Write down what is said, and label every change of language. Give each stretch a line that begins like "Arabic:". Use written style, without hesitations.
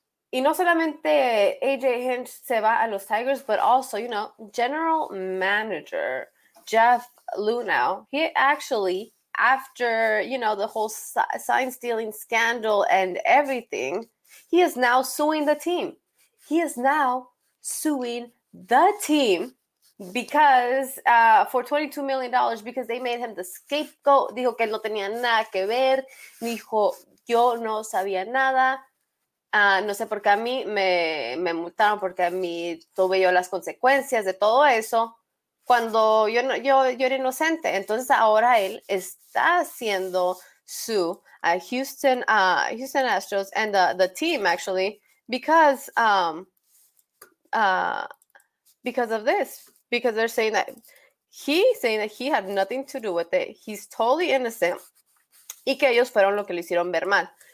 Spanish: Y no solamente
English: AJ Hinch se va a los Tigers, but also, you know, general manager Jeff Luhnow, he actually, after, you know, the whole sign-stealing scandal and everything, he is now suing the team. He is now suing the team because for $22 million, because they made him the scapegoat.
Spanish: Dijo que él no tenía nada que ver. Dijo, yo no sabía nada. No sé por qué a mí me multaron, porque a mí tuve yo las consecuencias de todo eso. Cuando yo era inocente. Entonces ahora él está haciendo su Houston Astros
English: and the team, actually, because of this. Because they're saying that he had nothing to do with it. He's totally innocent.
Spanish: Y que ellos fueron lo que le hicieron ver mal.